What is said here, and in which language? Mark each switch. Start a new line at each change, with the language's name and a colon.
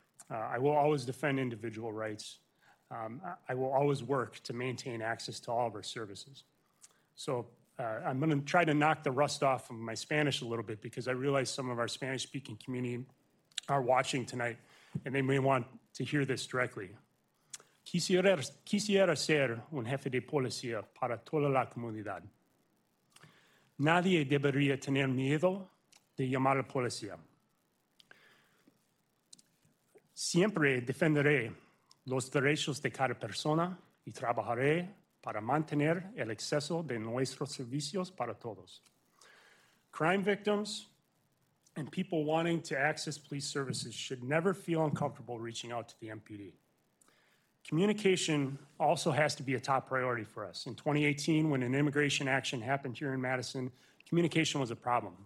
English: I will always defend individual rights. I will always work to maintain access to all of our services. So I'm going to try to knock the rust off of my Spanish a little bit, because I realize some of our Spanish-speaking community are watching tonight, and they may want to hear this directly.
Spanish: Quisiera ser un jefe de policía para toda la comunidad. Nadie debería tener miedo de llamar a la policía. Siempre defenderé los derechos de cada persona y trabajaré para mantener el acceso de nuestros servicios para todos.
English: Crime victims and people wanting to access police services should never feel uncomfortable reaching out to the MPD. Communication also has to be a top priority for us. In 2018, when an immigration action happened here in Madison, communication was a problem.